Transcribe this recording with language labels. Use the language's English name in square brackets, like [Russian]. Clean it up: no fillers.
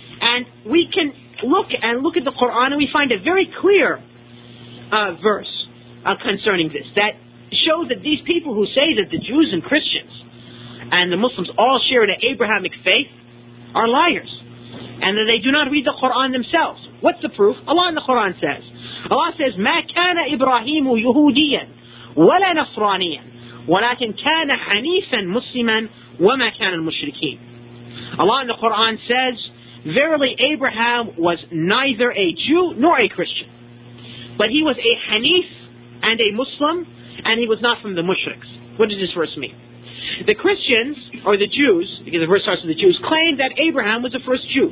[English] And we can look at the Quran, and we find a very clear verse concerning this that shows that these people who say that the Jews and Christians and the Muslims all share an Abrahamic faith are liars, and that they do not read the Quran themselves. What's the proof? [Arabic] Allah in the Quran says, Allah says, مَا كَانَ إِبْرَاهِيمُ يُهُودِيًا وَلَا نَصْرَانِيًا وَلَكِنْ كَانَ حَنِيفًا مُسْلِمًا وَمَا كَانَ الْمُشْرِكِينَ. [English] Allah in the Quran says, verily Abraham was neither a Jew nor a Christian, but he was a Hanif and a Muslim, and he was not from the Mushriks. What does this verse mean? The Christians, or the Jews, because the verse starts with the Jews, claim that Abraham was the first Jew.